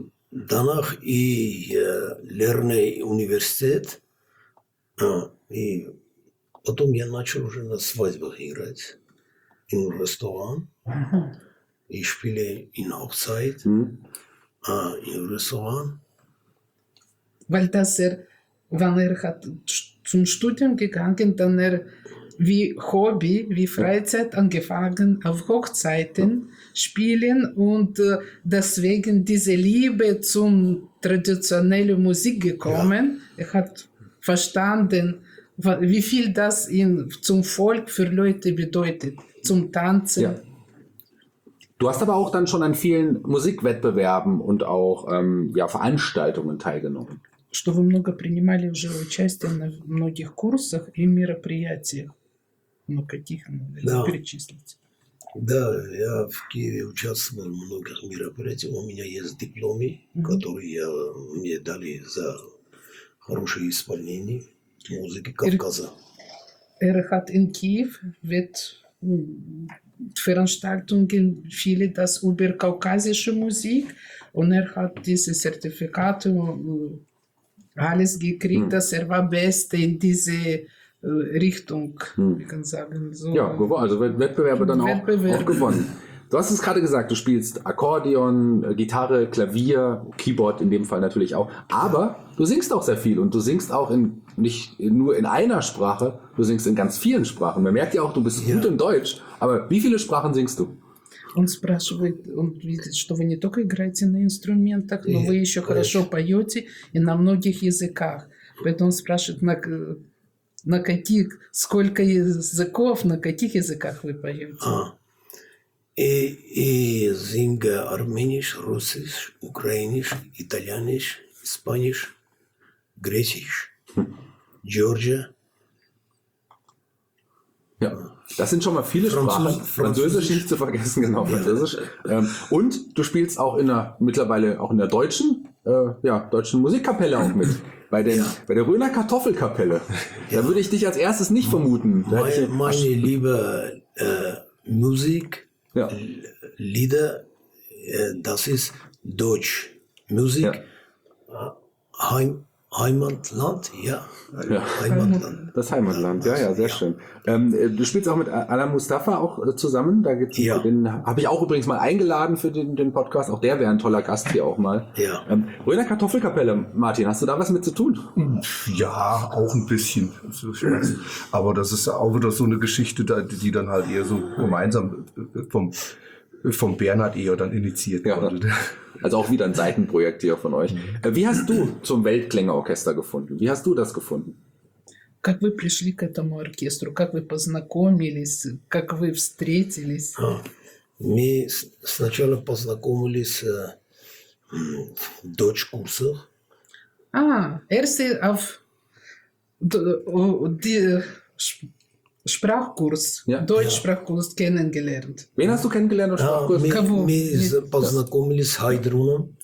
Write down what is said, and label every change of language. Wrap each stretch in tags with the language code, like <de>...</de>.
<de>Danach ich lerne Universität.</de> <ru>И потом я начал уже на свадьбах играть.</ru> <de>In restaurant. Uh-huh. Ich spiele in Hochzeit. Uh-huh. In restaurant. Weil das wann hat zum Studium gegangen, dann wie Hobby, wie Freizeit angefangen auf Hochzeiten spielen und deswegen diese Liebe zum traditionellen Musik gekommen. Ja. Er hat verstanden, wie viel das in, zum Volk für Leute bedeutet, zum Tanzen. Ja. Du hast aber auch dann schon an vielen Musikwettbewerben und auch Veranstaltungen teilgenommen.</de> <ru>Что вы много принимали уже участие на многих курсах и мероприятиях. Ну, каких надо перечислить? Да, я в Киеве участвовал в многих мероприятиях. У меня есть дипломы, которые мне дали за хорошее исполнение музыки Кавказа.</ru> <de>Erhard in Kiew wird Veranstaltungen viele das über kaukasische Musik und hat diese Zertifikate alles gekriegt, dass war Beste in diese Richtung, wie kann sagen. So ja, also Wettbewerbe dann auch gewonnen. Du hast es gerade gesagt, du spielst Akkordeon, Gitarre, Klavier, Keyboard in dem Fall natürlich auch. Aber du singst auch sehr viel und du singst auch in nicht nur in einer Sprache, du singst in ganz vielen Sprachen. Man merkt ja auch, du bist gut im Deutsch, aber wie viele Sprachen singst du?</de> <ru>Он спрашивает, он видит, что вы не только играете на инструментах, но вы еще хорошо поете и на многих языках. Поэтому он спрашивает, на каких, сколько языков, на каких языках вы поете? И зинга армянич, русский, украинич, итальянич, испанич, гречич, джорджа.</ru> <de>Ja, das sind schon mal viele Sprachen. Französisch nicht zu vergessen, genau, Französisch. Und du spielst auch mittlerweile auch in der deutschen Musikkapelle auch mit. Bei der Röner Kartoffelkapelle. Da würde ich dich als erstes nicht vermuten. Meine liebe Musik, Lieder, das ist Deutsch. Musik, Heimatland, Heimatland. Das Heimatland, sehr schön. Du spielst auch mit Alain Mustafa auch zusammen. Da gibt's den habe ich auch übrigens mal eingeladen für den Podcast. Auch der wäre ein toller Gast hier auch mal. Ja. Röner Kartoffelkapelle, Martin, hast du da was mit zu tun? Ja, auch ein bisschen. Aber das ist auch wieder so eine Geschichte, die dann halt eher so gemeinsam vom Bernhard eher dann initiiert wurde. Also auch wieder ein Seitenprojekt hier von euch. Wie hast du zum Weltklängeorchester gefunden? Wie hast du das gefunden?</de> <ru>Как вы пришли к этому оркестру? Как вы познакомились? Как вы встретились? Мы сначала познакомились дочь курсов.</ru> <de>А, erste auf die Sprachkurs, Deutschsprachkurs kennengelernt. Wen hast du kennengelernt auf Sprachkurs? Wir</de> <ru>познакомились с Хайдруном.</ru>